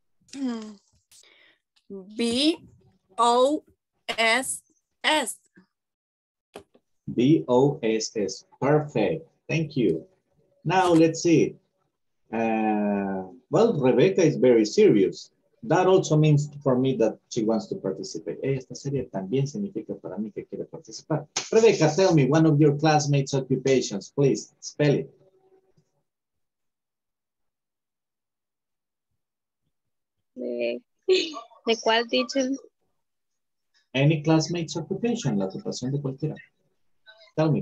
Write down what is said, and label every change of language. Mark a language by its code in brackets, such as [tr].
[en] B O S S. B-O-S-S. Perfect. Thank you. Now, let's see. Well, Rebecca is very serious. That also means for me that she wants to participate. [es] Esta serie también significa para mí que quiere participar. [en] Rebecca, tell me one of your classmates' occupations. Please, spell it. [es] ¿De cuál teacher? [en] Any classmates' occupation, [es] la ocupación de cualquiera. [en] Tell me.